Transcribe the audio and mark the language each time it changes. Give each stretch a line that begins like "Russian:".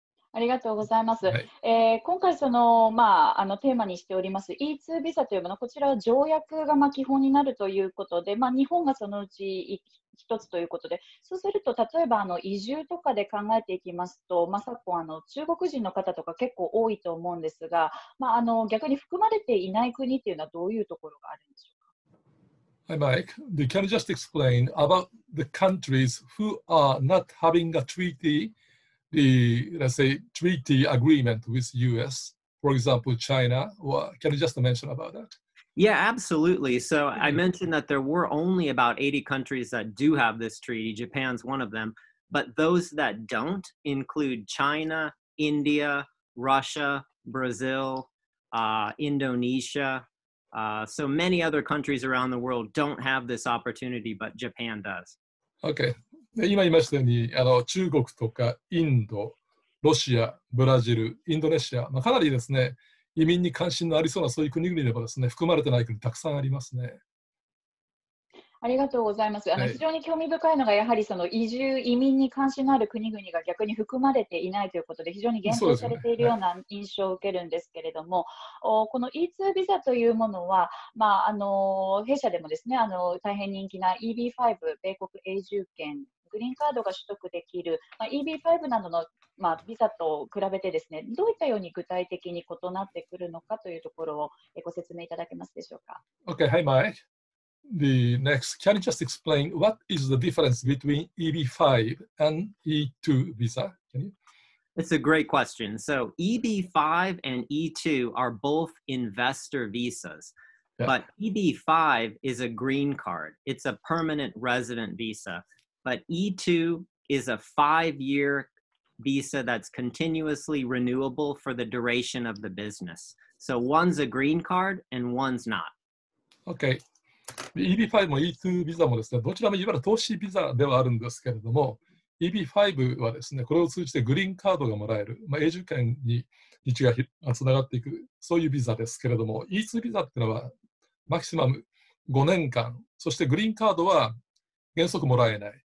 Japanese: ありがとうございます。はい、今回その、テーマにしております E2 ビザというもの、こちらは条約がまあ基本になるということで、まあ、日本がそのうち一つということで、そうすると例えば移住とかで考えていきますと、まあ、昨今中国人の方とか結構多いと思うんですが、まあ、逆に含まれていない国というのはどういうところがあるんでしょうか。
English: Hi Mike, can you just explain about the countries who are not having a treaty? The, let's say, treaty agreement with US, for example, China, or can you just mention about that? Yeah, absolutely. So I mentioned that there were only about 80 countries that do have this treaty. Japan's one of them. But those that don't include China, India, Russia, Brazil, Indonesia. So many other countries around the world don't have this opportunity, but Japan does. Okay.
Japanese: で今言いましたように中国とかインド、ロシア、ブラジル、インドネシア、まあ、かなりですね、移民に関心のありそうなそういう国々ではですね、含まれてない国たくさんありますね。ありがとうございます。非常に興味深いのがやはりその移住、移民に関心のある国々が逆に含まれていないということで非常に限定されているような印象を受けるんですけれども、ね、この E2 ビザというものは、まあ弊社でもですね、大変人気な EB5 米国永住権グリーンカードが取得できる、まあ、EB5 などの、まあ、ビザと比べてですね、どういったように具体的に異なってくるのかというところをご説明いただけますでしょうか。
English: OK, hi Mike. The next, can you just explain what is the difference between EB5 and E2 visa? Can you? It's a great question. So EB5 and E2 are both investor visas. Yeah. But EB5 is a green card. It's a permanent resident visa. But E2 is a five-year visa that's continuously renewable for the duration of the business. So one's a green card and one's not. Okay.
Japanese: EB5 も E2 ビザもですね、どちらもいわゆる投資ビザではあるんですけれども、EB5 はですね、これを通じてグリーンカードがもらえる、まあ、永住権に位置がつながっていく、そういうビザですけれども、E2 ビザっていうのは、マキシマム5年間、そしてグリーンカードは原則もらえない。